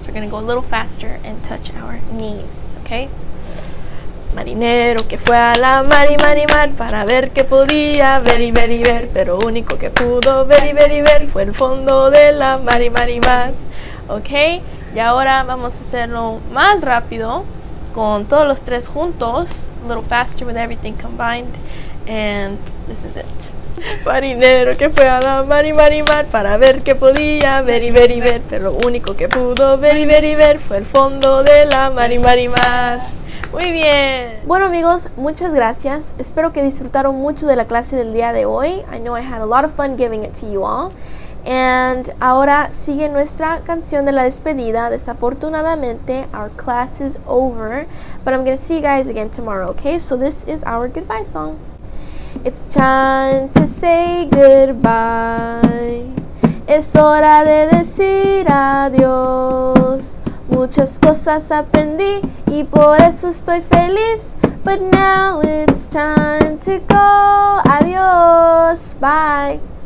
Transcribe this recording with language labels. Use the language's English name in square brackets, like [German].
[English] We're gonna go a little faster and touch our knees, okay? [Spanish] Marinero que fue a la mar y mar y mar para ver qué podía ver y ver y ver, pero único que pudo ver y ver y ver fue el fondo de la mar y mar y mar. Okay, y ahora vamos a hacerlo más rápido con todos los tres juntos. [English] A little faster with everything combined, and this is it. [Spanish] Marinero que fue a la mar y mar y mar para ver qué podía ver y ver y ver, pero lo único que pudo ver y ver y ver fue el fondo de la mar y mar y mar. Muy bien. Bueno amigos, muchas gracias. Espero que disfrutaron mucho de la clase del día de hoy. [English] I know I had a lot of fun giving it to you all. And [Spanish] ahora sigue nuestra canción de la despedida. Desafortunadamente, [English] our class is over. But I'm gonna see you guys again tomorrow, okay? So this is our goodbye song. It's time to say goodbye. [Spanish] Es hora de decir adiós. Muchas cosas aprendí y por eso estoy feliz. [English] But now it's time to go. [Spanish] Adiós. [English] Bye.